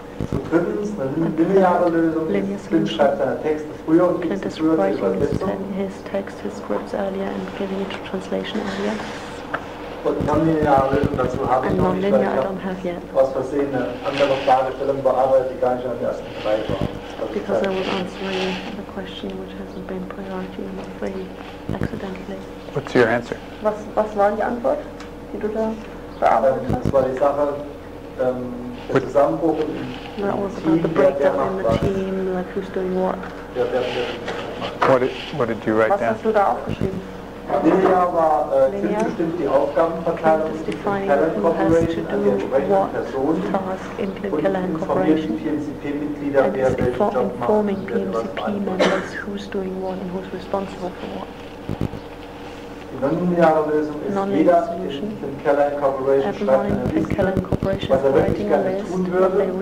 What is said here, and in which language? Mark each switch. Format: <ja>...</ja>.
<de>So drittens, eine lineare Lösung. Clint schreibt seine Texte früher und gibt es früher zur Übersetzung.</de> <en>His text, his scripts earlier and giving it to translation earlier.</en> <de>Und non-lineare Lösung dazu habe ich noch nicht, weil ich habe aus Versehen eine andere Fragestellung bearbeitet, die gar nicht an den ersten drei war.</de> <en>Because I was answering the question which hasn't been priority in the three accidentally. What's your answer?</en> <de>Was war die Antwort, die du da bearbeitet hast? Das war die Sache, der Zusammenbruch im Team.</de> <en>That was about the breakdown in the team, like who's doing what. What did you write down?</en> <de>Was hast du da aufgeschrieben? Linear war bestimmt die Aufgabenverteilung in Talent Corporation an die entsprechenden Personen und informieren die PMCP-Mitglieder, wer welchen Job macht und wer was beantwortet.</de> <en>PMCP-Members, who's doing what and who's responsible for what.</en> <de>Die non-lineare Lösung ist, jeder in Talent Corporation schreibt eine Liste, was er wirklich gerne tun würde</de>